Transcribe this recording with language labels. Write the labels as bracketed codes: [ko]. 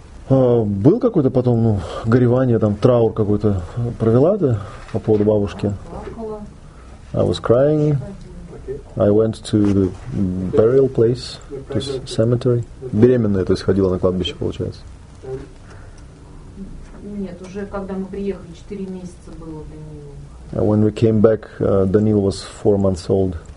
[ru] Был какой-то потом, ну, горевание, там, траур какой-то? Провела ты по поводу бабушки? [en] I was crying. I went to the burial place, to cemetery. [ru] Беременная, то есть ходила на кладбище, получается. Нет, уже когда мы приехали, 4 месяца было для него. [en] When we came back, Daniil was 4 months old.